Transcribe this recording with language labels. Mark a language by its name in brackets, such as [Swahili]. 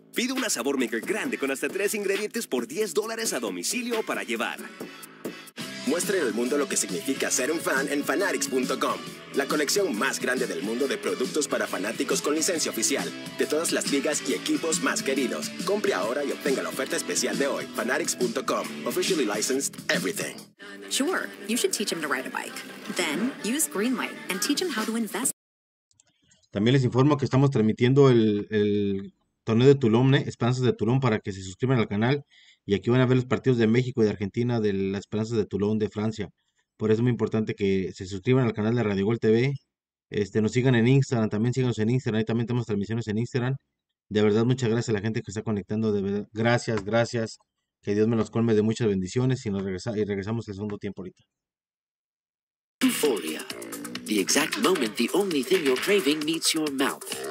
[Spanish] Pide una Sabor Maker grande con hasta 3 ingredientes por $10 a domicilio para llevar. Muestre al mundo lo que significa ser un fan en Fanatics.com, la colección más grande del mundo de productos para fanáticos con licencia oficial, de todas las ligas y equipos más queridos. Compre ahora y obtenga la oferta especial de hoy. [English] Fanatics.com, officially licensed everything. Sure, you should teach him to ride a bike. Then, use Greenlight and teach him how to invest. [Spanish] También les informo que estamos transmitiendo el torneo de Tulum, Esperanzas de Tulum, para que se suscriban al canal. Y aquí van a ver los partidos de México y de Argentina, de las Esperanzas de Toulon, de Francia. Por eso es muy importante que se suscriban al canal de Radio Gol TV. Nos sigan en Instagram, también síganos en Instagram. Ahí también tenemos transmisiones en Instagram. De verdad, muchas gracias a la gente que está conectando. De verdad, gracias, gracias. Que Dios me los colme de muchas bendiciones. Y regresamos el segundo tiempo ahorita. [English] Euphoria. The exact moment the only thing you're craving meets your mouth.